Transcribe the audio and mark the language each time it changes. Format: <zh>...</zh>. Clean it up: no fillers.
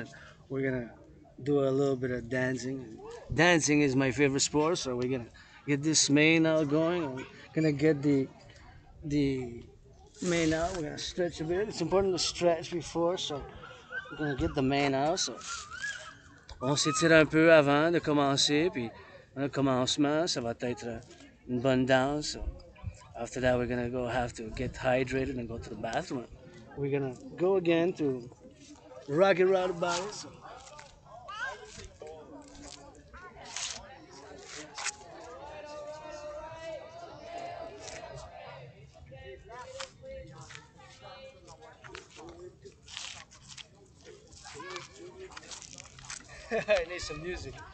<en>And we're gonna do a little bit of dancing. Dancing is my favorite sport, so we're gonna get this mane out going. We're gonna get the mane out. We're gonna stretch a bit. It's important to stretch before, so we're gonna get the mane out.</en> <fr>So on s'étire un peu avant de commencer, puis on a commencement, ça va être une bonne danse.</fr> <en>So after that, we're gonna go have to get hydrated and go to the bathroom. We're gonna go again to rock and roll body. So I need some music.</en>